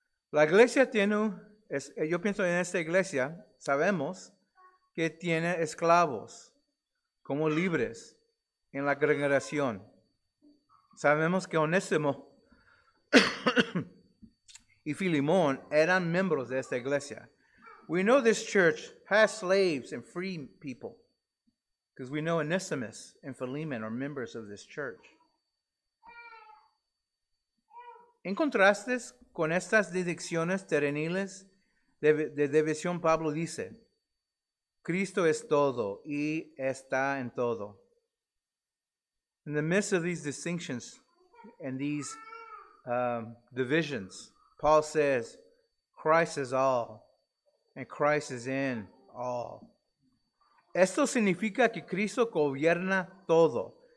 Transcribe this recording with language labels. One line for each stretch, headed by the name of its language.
Spanish: La iglesia tiene, yo pienso en esta iglesia, sabemos que tiene esclavos como libres en la congregación. Sabemos que Onésimo y Filemón eran miembros de esta iglesia.
English: We know this church has slaves and free people, because we know Onesimus and Philemon are members of this church.
Spanish: En contraste con estas divisiones terreniles de división, Pablo dice, Cristo es todo y está en todo.
English: In the midst of these distinctions and these divisions, Paul says, Christ is all and Christ is in all.
Spanish: Esto significa que Cristo gobierna todo.